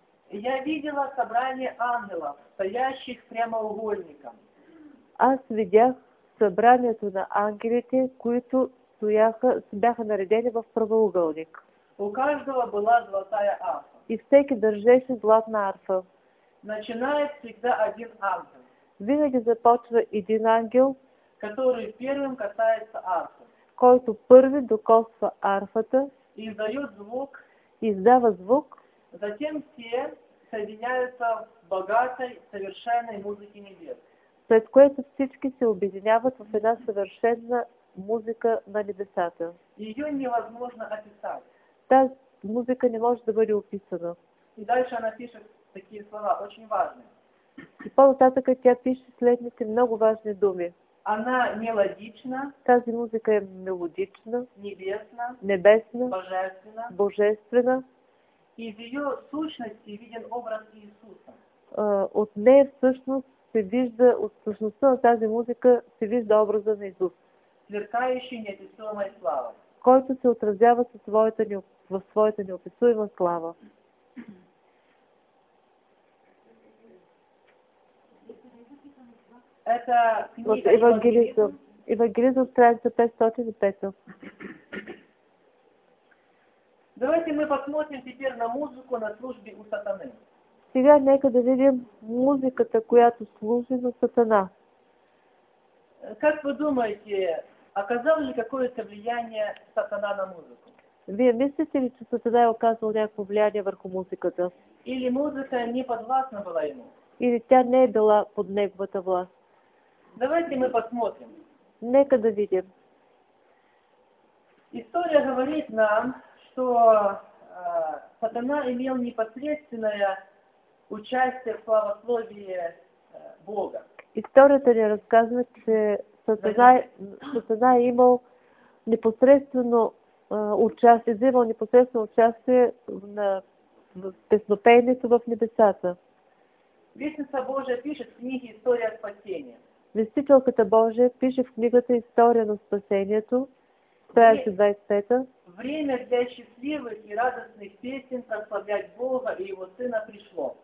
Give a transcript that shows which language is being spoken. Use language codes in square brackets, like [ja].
[ru] Я видела събрание ангелов, стоящих прямоугольником. [bg] Аз видях събранието на ангелите, които бяха наредени в правоъгълник. [ru] У каждого была золотая арфа. [bg] и всеки държеше златна арфа. [ru] Начинает всегда один ангел. [bg] Винаги започва един ангел, [ru] который первым касается арфы. [bg] Който първи докосва арфата [ru] и издаёт звук, [bg] издава звук. [ru] Затем все соединяются в богатой, совершенной музыке небес. [bg] След което всички се объединяват в една съвършена музика на небесата. [ru] Её невозможно описать. [bg] Тази музика не може да бъде описана. [ru] И дальше она пишет такие слова, очень важные. [bg] И по-нататък тя пише следните много важни думи. [ru] Она мелодична. [bg] Тази музика е мелодична. Небесна. Небесна. Божествена. Божествена. [ru] И в её сущности виден образ Иисуса. [bg] От нея всъщност се вижда, от същността на тази музика се вижда образа на Исус. [ru] Сверкающий неописуема слава. [bg] Който се отразява в своята неописуема слава. [ru] Это книга [bg] от Евангелието. Евангелието страница 505. [ru] Давайте мы посмотрим теперь на музыку на службе у сатаны. [bg] Сега нека да видим музиката, която служи на сатана. [ru] Как вы думаете, оказал ли какое-то влияние сатана на музыку? [bg] Вие мислите ли, че сатана е оказал някакво влияние върху музиката? [ru] Или музыка не подвластна была ему? [bg] Или тя не е била под неговата власт? [ru] Давайте мы посмотрим. [bg] Нека да видим. [ru] История говорит нам, что сатана имел непосредственное участие в славословии Бога. [bg] Историята ни разказва, че сатана е имал непосредствено участие, взимал непосредствено участие в песнопеенето в небесата. [ru] Вестница Божия пише в книге «История спасения». [bg] Вестителката Божия пише в книгата «История на спасението», страница 25-та. [ru] Время для счастливых и радостных песен прославлять Бога и Его Сына пришло.